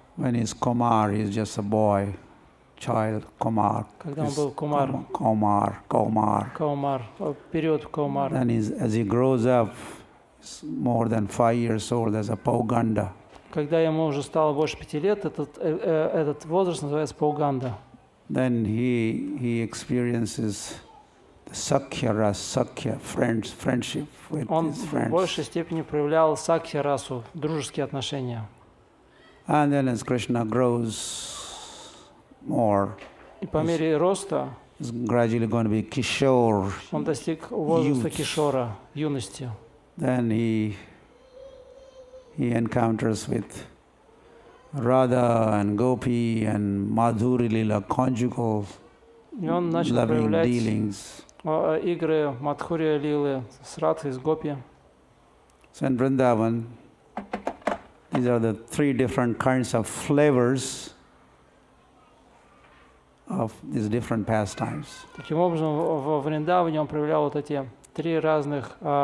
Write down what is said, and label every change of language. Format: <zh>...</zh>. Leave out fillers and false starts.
<en>When he's Kumar, he's just a boy, child Kumar.</en> <ru>Когда он был Кумар.</ru> <en>Kumar.</en> <ru>Kumar. Период Kumar.</ru> <en>And as he grows up, he's more than 5 years old as a Pauganda.</en> <ru>Когда ему уже стало больше 5 лет, этот возраст называется Пауганда.</ru> <en>Then he experiences the sakya friendship with</en> <ru>он</ru> <en>his friends.</en> <ru>В большей степени проявлял сакья расу, дружеские отношения.</ru> <en>And then as Krishna grows more,</en> <ru>и по мере роста,</ru> <en>he's gradually going to be kishore.</en> <ru>Он достиг возраста кишора, юности.</ru> <en>Then he encounters with Radha and Gopi and Madhuri Lila, conjugal loving dealings.</en> <ru>Игры Мадхури Лилы с Радхой, с Гопи.</ru> <en>So in Vrindavan, these are the 3 different kinds of flavors of these different pastimes.</en> <ru>Таким образом, в Вриндаване он проявлял вот эти три разных</ru>